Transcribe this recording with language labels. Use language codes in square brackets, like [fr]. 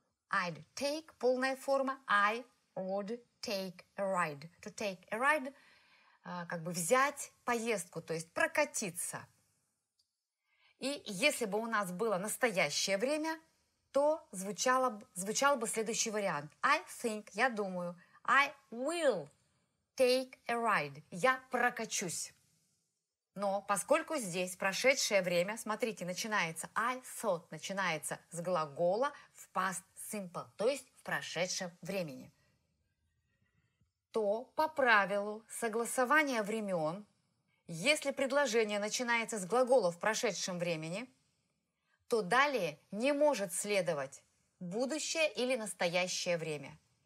[en] I'd take, [ru] полная форма. [en] I would take a ride. To take a ride, [ru] как бы взять поездку, то есть прокатиться. И если бы у нас было настоящее время, то звучал бы следующий вариант. [en] I think, [ru] я думаю, [en] I will take a ride, [ru] я прокачусь. Но поскольку здесь прошедшее время, смотрите, начинается [en] I thought, [ru] начинается с глагола в past simple, то есть в прошедшем времени, то по правилу согласования времен, если предложение начинается с глагола в прошедшем времени, то далее не может следовать будущее или настоящее время.